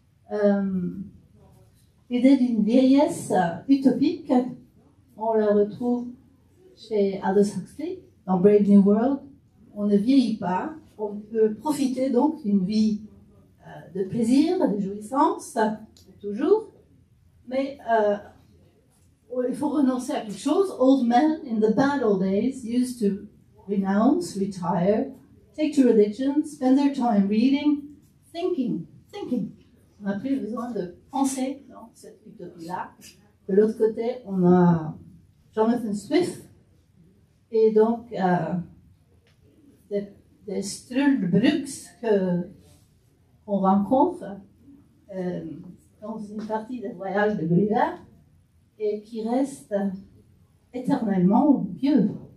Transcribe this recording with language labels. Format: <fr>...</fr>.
<fr>L'idée d'une vieillesse utopique, on la retrouve chez Aldous Huxley, dans Brave New World. On ne vieillit pas, on peut profiter donc d'une vie de plaisir, de jouissance, toujours. Mais il faut renoncer à quelque chose.</fr> <en>Old men in the bad old days used to renounce, retire, take to religion, spend their time reading, thinking.</en> <fr>On n'a plus besoin de penser dans cette utopie-là. De l'autre côté, on a Jonathan Swift et donc des Struldbrugs qu'on rencontre dans une partie des voyages de Gulliver et qui restent éternellement vieux.</fr>